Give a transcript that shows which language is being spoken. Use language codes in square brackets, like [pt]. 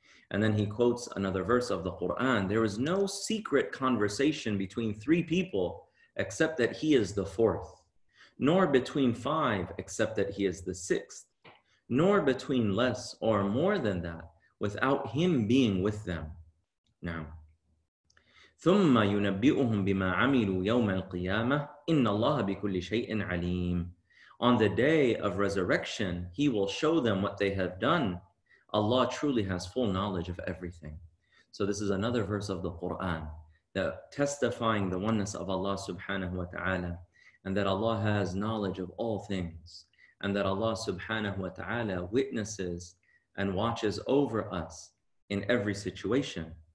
[en] And then he quotes another verse of the Quran. There is no secret conversation between three people except that he is the fourth, nor between five except that he is the sixth, nor between less or more than that without him being with them. [ar] Now, ثم ينبئهم بما عملوا يوم القيامة إن الله بكل شيء عليم. [en] On the day of resurrection, he will show them what they have done. Allah truly has full knowledge of everything. So this is another verse of the Quran that testifying the oneness of Allah subhanahu wa ta'ala, and that Allah has knowledge of all things, and that Allah subhanahu wa ta'ala witnesses and watches over us in every situation.